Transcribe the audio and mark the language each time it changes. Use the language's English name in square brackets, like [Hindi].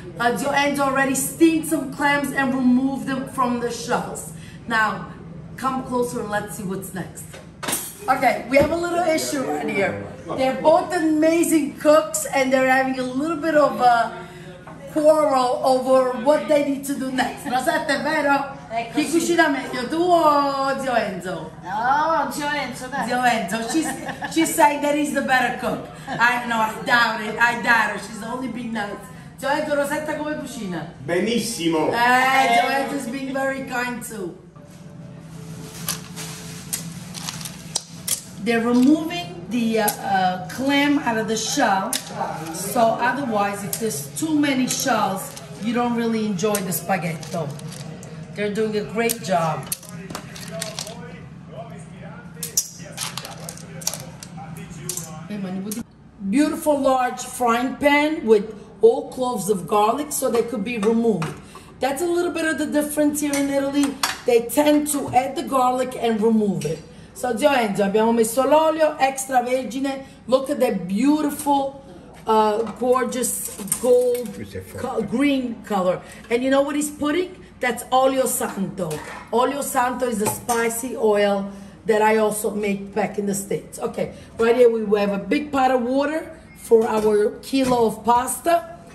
[English] Joanne's already steamed some clams and removed them from the shells. Now, come closer and let's see what's next. Okay, we have a little issue right here. They're both amazing cooks and they're having a little bit of a quarrel over what they need to do next. [Italian] Rosetta, vero? Chi cucina meglio, tu o Zio Enzo? No, Zio Enzo, dai. [English] Zio Enzo, she's saying that he's the better cook. I know, I doubt it, I doubt her. She's only being nice. [Italian] Zio Enzo, Rosetta come cucina? Benissimo. [English] Zio Enzo's being very kind too. They're removing the clam out of the shell. So otherwise, if there's too many shells, you don't really enjoy the spaghetti. They're doing a great job. Beautiful large frying pan with all cloves of garlic so they could be removed. That's a little bit of the difference here in Italy. They tend to add the garlic and remove it. [Italian] So, Zio Enzo, abbiamo messo l'olio extravergine. [English] Look at that beautiful, gorgeous gold green color. And you know what he's putting? That's Olio Santo. Olio Santo is the spicy oil that I also make back in the States. Okay, right here we have a big pot of water for our kilo of pasta.